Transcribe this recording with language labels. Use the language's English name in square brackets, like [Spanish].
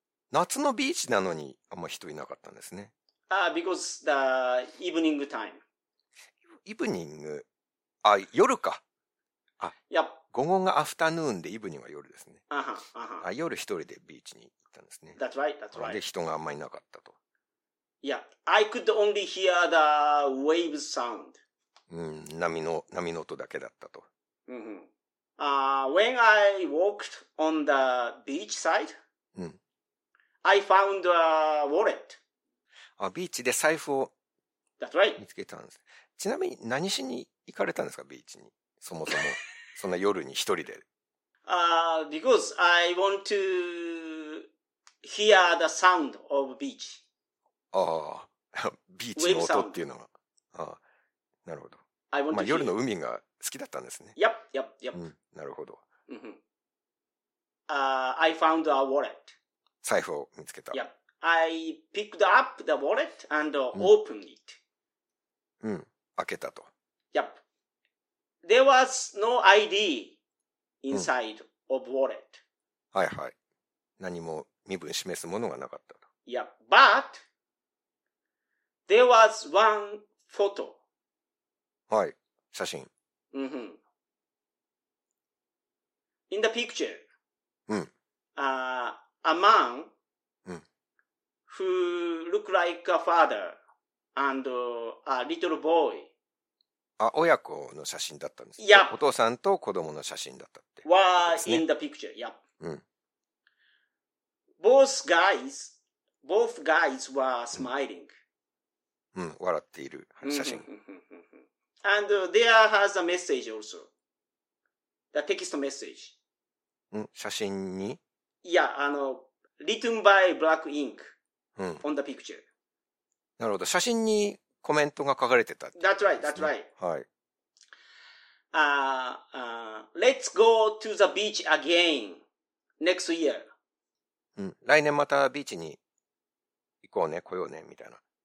[Japanese] 夏のビーチなのにあんま人いなかったんですね。 [English] ああ、because the evening time. [Japanese] イブニング、あ、夜か。あ、 [English] yep. [Japanese] 午後がアフタヌーンでイブニングは夜ですね。 Uh-huh, uh-huh. あ、夜一人でビーチに行ったんですね。 [English] That's right, that's right. [Japanese] で、人があんまいなかったと。 [English] Yeah, I could only hear the wave sound. [Japanese] うん、波の音だけだったと。 [English] When I walked on the beach side,、 [Japanese] うん、 [English] I found a wallet. [Japanese] あ、ビーチで財布を [English] That's right. [Japanese] 見つけたんです。ちなみに何しに行かれたんですか、ビーチに。そもそも、そんな夜に一人で。 [English] Because I want to hear the sound of beach. [Japanese] ああ、ビーチの音っていうのは。ああ、なるほど。まあ、夜の海が好きだったんですね。 [English] Yep, yep, yep. [Japanese] うん、なるほど。 [English] Mm-hmm. I found a wallet. [Japanese] 財布を見つけた。 [English] Yep. I picked up the wallet and opened it. [Japanese] うん、開けたと。 [English] Yep. There was no ID inside、うん、of wallet. [Japanese] はいはい。何も身分示すものがなかったと。 [English] Yep, but... There was one photo. [Japanese] はい、写真。 Mm-hmm. [English] In the picture,、 [Japanese] うん [English] a man、 [Japanese] うん、 [English] who looked like a father and a little boy. [Japanese] あ、親子の写真だったんです。 [English] Yep. [Japanese] お父さんと子供の写真だったって。 [English] Was in the picture, yep.、 [Japanese] うん、 [English] Both guys were smiling.、 [Japanese] うんうん、笑っている写真。 [English] And there has a message also. The text message. [Japanese] うん、写真に？ [English] いや、written by black ink on the picture. [Japanese] なるほど。写真にコメントが書かれてたって [English] 。 That's right, that's right. [Japanese] はい。 [English] Let's go to the beach again next year. [Japanese] うん、来年またビーチに行こうね、来ようね、みたいな。